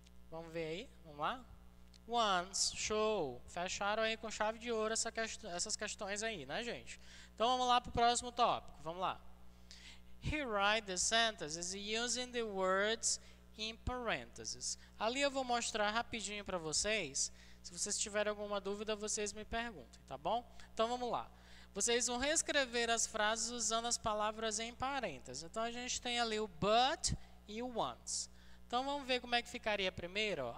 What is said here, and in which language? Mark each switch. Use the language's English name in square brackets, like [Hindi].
[Portuguese] Vamos ver aí. Vamos lá. Ones, show. Fecharam aí com chave de ouro essas questões aí, né, gente? Então vamos lá pro próximo tópico. Vamos lá. [English] He write the sentences using the words in parentheses. [Portuguese] Ali eu vou mostrar rapidinho para vocês. Se vocês tiverem alguma dúvida, vocês me perguntem, tá bom? Então vamos lá. Vocês vão reescrever as frases usando as palavras em parênteses. Então a gente tem ali o but e o once. Então vamos ver como é que ficaria primeiro.